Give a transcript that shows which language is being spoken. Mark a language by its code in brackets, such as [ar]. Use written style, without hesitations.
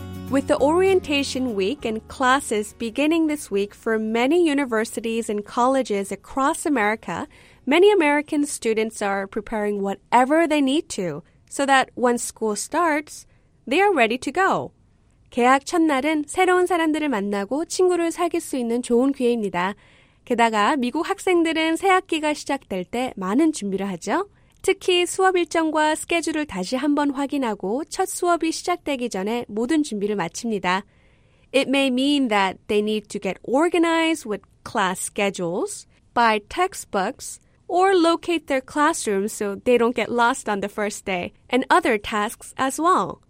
[en] With the orientation week and classes beginning this week for many universities and colleges across America, many American students are preparing whatever they need to so that when school starts, they are ready to go. [ko] 개학 첫날은 새로운 사람들을 만나고 친구를 사귈 수 있는 좋은 기회입니다. 게다가 미국 학생들은 새학기가 시작될 때 많은 준비를 하죠. 특히 수업 일정과 스케줄을 다시 한번 확인하고 첫 수업이 시작되기 전에 모든 준비를 마칩니다. [en] It may mean that they need to get organized with class schedules, buy textbooks, or locate their classroom so they don't get lost on the first day, and other tasks as well.